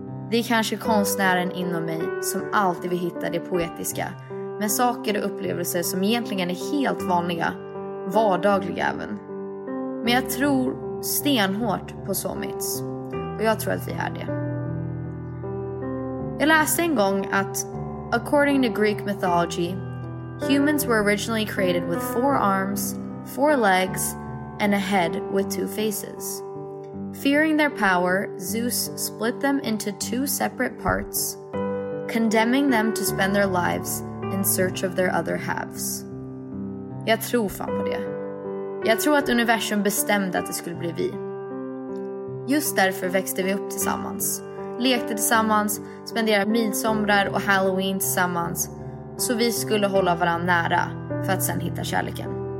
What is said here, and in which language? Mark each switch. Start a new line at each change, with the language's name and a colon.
Swedish: Det är kanske konstnären inom mig som alltid vill hitta det poetiska. Men saker och upplevelser som egentligen är helt vanliga, vardagliga även. Men jag tror stenhårt på soulmates. Och jag tror att vi är det. Jag läste en gång att
English: according to Greek mythology, humans were originally created with 4 arms, 4 legs, and a head with 2 faces. Fearing their power, Zeus split them into 2 separate parts, condemning them to spend their lives in search of their other halves.
Swedish: Jag tror fan på det. Jag tror att universum bestämde att det skulle bli vi. Just därför växte vi upp tillsammans. Lekte tillsammans, spenderade midsommar och Halloween tillsammans. Så vi skulle hålla varandra nära för att sen hitta kärleken.